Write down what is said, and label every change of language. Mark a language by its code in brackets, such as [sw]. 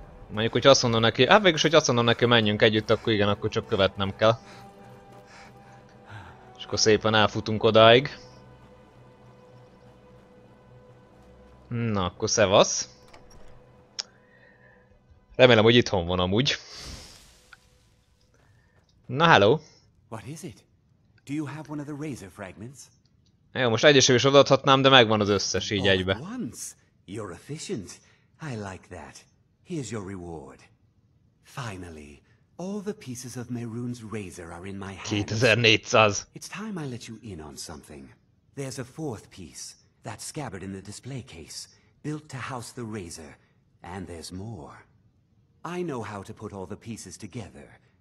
[hu] Mondjuk, hogy azt mondom neki, hát végülis, hogy azt mondom neki, menjünk együtt, akkor igen, akkor csak követnem kell. Akkor szépen elfutunk odáig. Na, akkor szevasz. Remélem, hogy itthon van amúgy. Na, hello. [en] What is it? Do you have one of the razor fragments? [hu] Jó, most egyesem is odaadhatnám, de megvan az összes így egybe. [en] All at once. You're efficient. I like that. Here's your reward. Finally, all the pieces of Merun's razor are in my hands. 2400. It's time I let you in on something. There's a fourth piece. That scabbard in the display case, built to house the razor. And there's more. I know how to put all the pieces together.